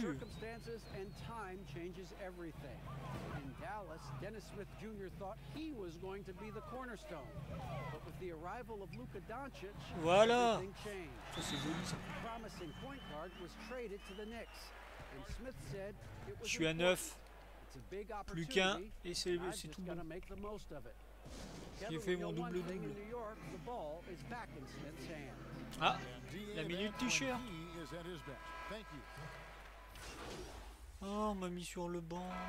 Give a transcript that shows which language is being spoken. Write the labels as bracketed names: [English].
[English] Circumstances and time changes everything. In Dallas, Dennis Smith Jr. thought he was going to be the cornerstone. But with the arrival of Luka Doncic, [French] voilà, [English] everything changed. The promising point guard was traded to the Knicks. And Smith said it was [French] Je suis à 9, plus qu'un, et c'est tout bon. [English] Make the most of it. [French] J'ai fait mon double double. [English] New York, the ball is back in Smith's hands. [French] Ah, la minute t-shirt. [English] Thank you. [French] Oh, on m'a mis sur le banc.